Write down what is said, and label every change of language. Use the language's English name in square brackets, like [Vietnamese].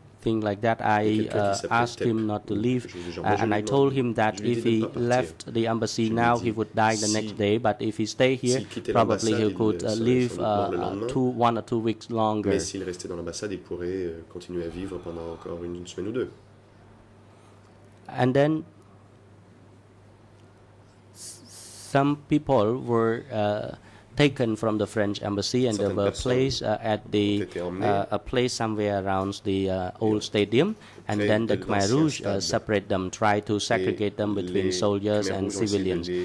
[English] Thing like that, I asked him not to leave, and I told him that if he left the embassy now, he would die the next day, but if he stay here, probably he could live 1 or 2 weeks longer. [French] Mais s'il restait dans l'ambassade, il pourrait continuer à vivre pendant encore une semaine ou deux. [English] And then some people were taken from the French embassy, and they were placed at the a place somewhere around the old stadium. And then the Khmer Rouge separate them, try to segregate them between soldiers and civilians.